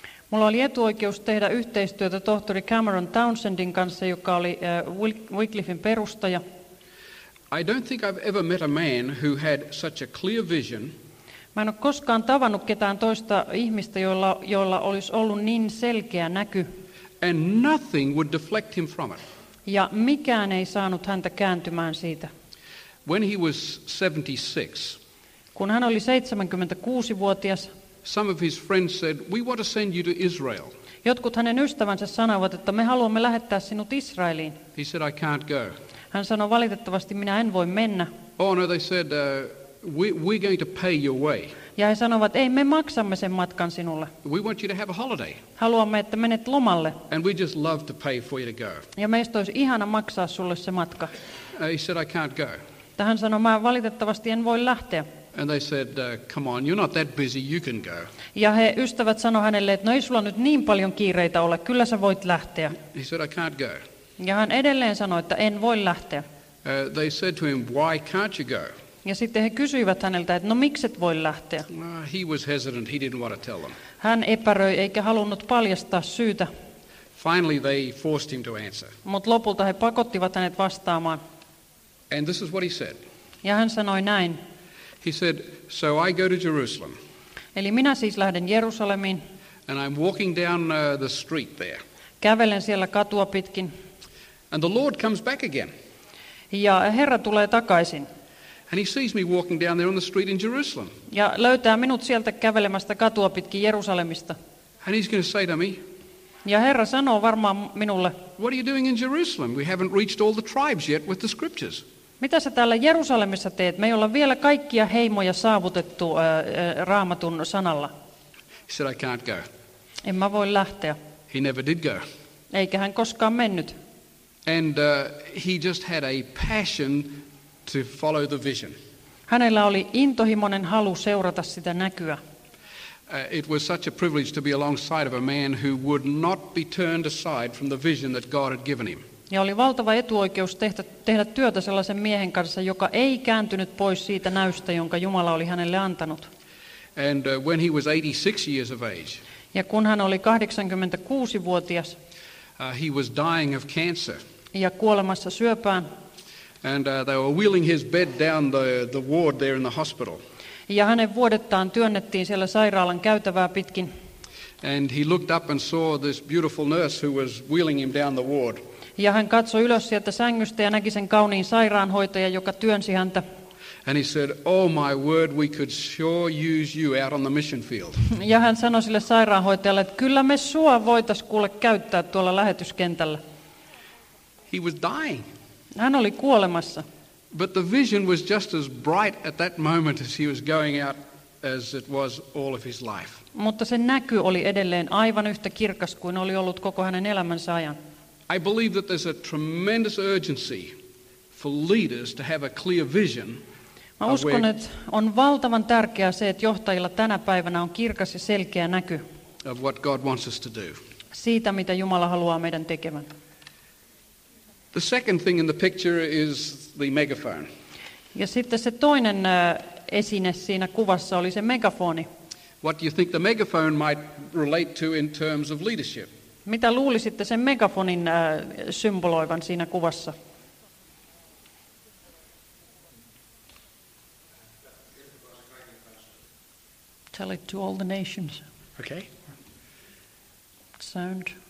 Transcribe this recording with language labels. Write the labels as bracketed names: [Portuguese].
[Finnish] Mulla oli etuoikeus tehdä yhteistyötä tohtori Cameron Townsendin kanssa, joka oli Wycliffen perustaja. [English] I don't think I've ever met a man who had such a clear vision. [Finnish] Mä en ole koskaan tavannut ketään toista ihmistä, jolla olisi ollut niin selkeä näky. [English] And nothing would deflect him from it. [Finnish] Ja mikään ei saanut häntä kääntymään siitä. [English] When he was 76. [Finnish] Kun hän oli 76-vuotias. [English] Some of his friends said, "We want to send you to Israel." [Finnish] Jotkut hänen ystävänsä sanoivat, että me haluamme lähettää sinut Israeliin. [English] He said, "I can't go." [Finnish] Hän sanoi, valitettavasti minä en voi mennä. [English] Oh no, they said, "We're going to pay your way." [Finnish] Ja he sanoivat, ei, me maksamme sen matkan sinulle. [English] We want you to have a holiday. [Finnish] Haluamme, että menet lomalle. [English] And we just love to pay for you to go. [Finnish] Ja meistä olisi ihana maksaa sulle se matka. [English] He said, "I can't go." [Finnish] Hän sanoi, mä valitettavasti en voi lähteä. [English] And they said, "Come on, you're not that busy, you can go." [Finnish] Ja he ystävät sanoi hänelle, että no ei sulla nyt niin paljon kiireitä ole, kyllä sä voit lähteä. [English] He said, "I can't go." [Finnish] Ja hän edelleen sanoi, että en voi lähteä. [English] They said to him, "Why can't you go?" [Finnish] Ja sitten he kysyivät häneltä, että no mikset voi lähteä. [English] He was hesitant, he didn't want to tell them. [Finnish] Hän epäröi eikä halunnut paljastaa syytä. [English] Finally they forced him to answer. [Finnish] Mut lopulta he pakottivat hänet vastaamaan. [English] And this is what he said. [Finnish] Ja hän sanoi näin. [English] He said, "So I go to Jerusalem." [Finnish] Eli minä siis lähden Jerusalemiin. [English] And I'm walking down the street there. [Finnish] Kävelen siellä katua pitkin. [English] And the Lord comes back again. [Finnish] Ja Herra tulee takaisin. [English] And he sees me walking down there on the street in Jerusalem. [Finnish] Ja löytää minut sieltä kävelemästä katua pitkin Jerusalemista. [English] And he's going to say to me. [Finnish] Ja Herra sanoo varmaan minulle. [English] "What are you doing in Jerusalem? We haven't reached all the tribes yet with the scriptures." [Finnish] Mitä sä täällä Jerusalemissa teet? Me ei olla vielä kaikkia heimoja saavutettu Raamatun sanalla. [English] He said, "I can't go." [Finnish] En mä voi lähteä. [English] He never did go. [Finnish] Eikä hän koskaan mennyt. [English] And he just had a passion to follow the vision. [Finnish] Hänellä oli intohimoinen halu seurata sitä näkyä. [English] It was such a privilege to be alongside of a man who would not be turned aside from the vision that God had given him. [Finnish] Ja oli valtava etuoikeus tehdä työtä sellaisen miehen kanssa, joka ei kääntynyt pois siitä näystä, jonka Jumala oli hänelle antanut. [English] And when he was 86 years of age. [Finnish] Ja kun hän oli 86-vuotias. [English] He was dying of cancer. [Finnish] Ja kuolemassa syöpään. [English] And they were wheeling his bed down the ward there in the hospital. [Finnish] Ja hänen vuodettaan työnnettiin siellä sairaalan käytävää pitkin. [English] And he looked up and saw this beautiful nurse who was wheeling him down the ward. [Finnish] Ja hän katsoi ylös sieltä sängystä ja näki sen kauniin sairaanhoitajan, joka työnsi häntä. [English] And he said, "Oh my word, we could sure use you out on the mission field." [Finnish] Ja hän sanoi sille sairaanhoitajalle, että kyllä me sua voitais kuule käyttää tuolla lähetyskentällä. [English] He was dying. [Finnish] Hän oli kuolemassa. [English] But the vision was just as bright at that moment as he was going out as it was all of his life. [Finnish] Mutta se näky oli edelleen aivan yhtä kirkas kuin oli ollut koko hänen elämänsä ajan. [English] I believe that there's a tremendous urgency for leaders to have a clear vision. [Finnish] Mä uskon, että on valtavan tärkeää se, että johtajilla tänä päivänä on kirkas ja selkeä näky [English] of what God wants us to do. [Finnish] Siitä, mitä Jumala haluaa meidän tekevän. [English] The second thing in the picture is the megaphone. [Finnish] Ja sitten se toinen esine siinä kuvassa oli se megafoni. [English] What do you think the megaphone might relate to in terms of leadership? [Finnish] Mitä luulisitte sen megafonin symboloivan siinä kuvassa? [English] Tell it to all the nations. Okay. Sound.